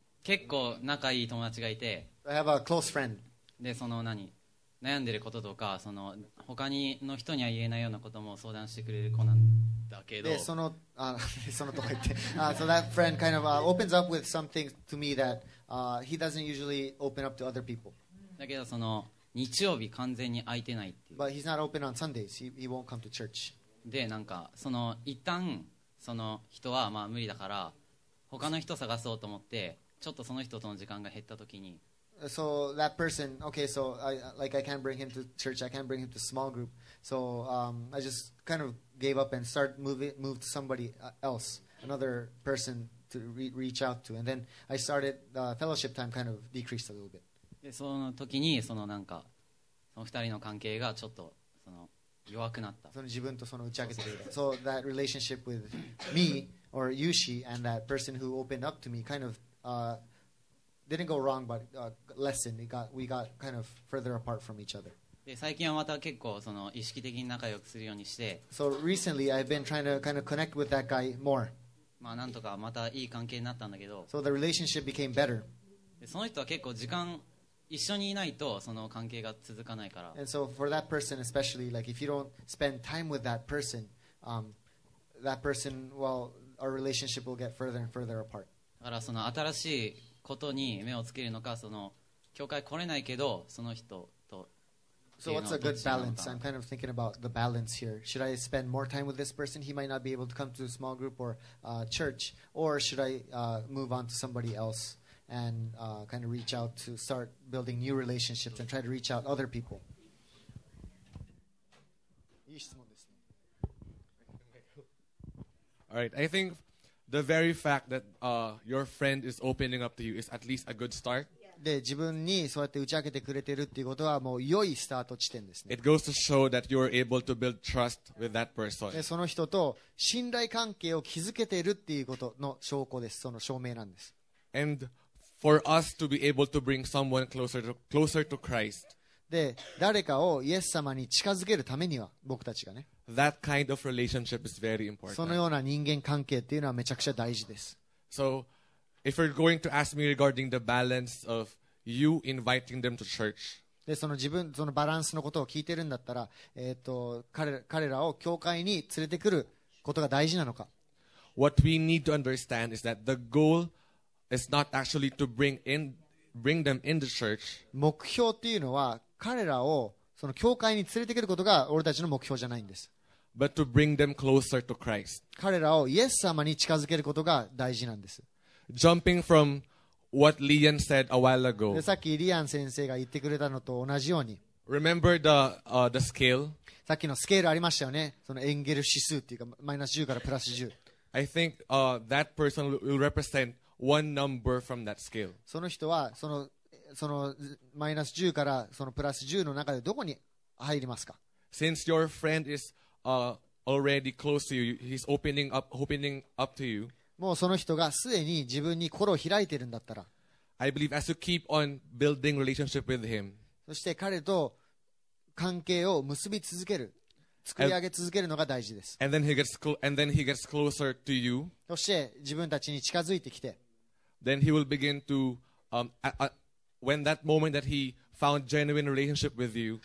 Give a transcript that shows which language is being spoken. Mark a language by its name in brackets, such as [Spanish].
[Japanese] 結構仲いい友達がいて [English] I have a close friend. [Japanese] でその何悩んでることとかその他にの人には言えないようなことも相談してくれる子なんだけどでそのあそのとか言って [English] so that friend kind of opens up with something to me that he doesn't usually open up to other people [Japanese] だけどその日曜日完全に空いてないっていう [English] But he's not open on Sundays he won't come to church [Japanese] でなんかその一旦その人はまあ無理だから他の人探そうと思ってちょっとその人との時間が減ったときに、 [English] So that person, okay, so I like I can't bring him to church, I can't bring him to small group, so I just kind of gave up and start moved to somebody else, another person to reach out to, and then I started the fellowship time kind of decreased a little bit. [Japanese] でその時にそのなんかその二人の関係がちょっとその弱くなった。その自分とその打ち明けてくれた。 [English] So that relationship with me or Yushi and that person who opened up to me kind ofdidn't go wrong, but lessened. We got kind of further apart from each other. [Japanese] で最近はまた結構その意識的に仲良くするようにして。 [English] So recently, I've been trying to kind of connect with that guy more. [Japanese] まあなんとかまたいい関係になったんだけど。 [English] So the relationship became better. [Japanese] でその人は結構時間一緒にいないとその関係が続かないから。 [English] And so for that person, especially like if you don't spend time with that person, well, our relationship will get further and further apart. [Japanese] だからその新しいことに目をつけるのかその教会来れないけどその人と [English] So what's a good balance? I'm kind of thinking about the balance here. Should I spend more time with this person? He might not be able to come to a small group or church. Or should I move on to somebody else and kind of reach out to start building new relationships and try to reach out other people? [Japanese] いい質問ですね。 [English] All right, I think... The very fact that your friend is opening up to you is at least a good start. [Japanese] で、自分にそうやって打ち明けてくれてるっていうことはもう良いスタート地点ですね。 [English] It goes to show that you are able to build trust with that person. [Japanese] で、その人と信頼関係を築けてるっていうことの証拠です。その証明なんです。 [English] And for us to be able to bring someone closer to Christ. [Japanese] で、誰かをイエス様に近づけるためには、僕たちがね。 [English] That kind of relationship is very important. [Japanese] そのような人間関係っていうのはめちゃくちゃ大事です。 [English] So, if you're going to ask me regarding the balance of you inviting them to church, [Japanese] で、その自分、そのバランスのことを聞いてるんだったら、彼らを教会に連れてくることが大事なのか。 [English] What we need to understand is that the goal is not actually to bring them in the church. [Japanese] 目標っていうのは彼らをその教会に連れてくることが俺たちの目標じゃないんです。 [English] But to bring them closer to Christ. [Japanese] 彼らをイエス様に近づけることが大事なんです。 [English] Jumping from what Lian said a while ago. [Japanese] さっきリアン先生が言ってくれたのと同じように。 [English] Remember the scale? [Japanese] さっきのスケールありましたよね。そのエンゲル指数っていうかマイナス10からプラス10。 [English] I think that person will represent one number from that scale. [Japanese] その人はそのマイナス10からそのプラス10の中でどこに入りますか? [English] Since your friend is already close to you, he's opening up to you. [Japanese] もうその人がすでに自分に心を開いてるんだったら。 [English] I believe as you keep on building relationship with him. [Japanese] そして彼と関係を結び続ける。作り上げ続けるのが大事です。 [English] And then he gets closer to you. [Japanese] そして自分たちに近づいてきて。 [English] Then he will begin to, when that moment that he found genuine relationship with you.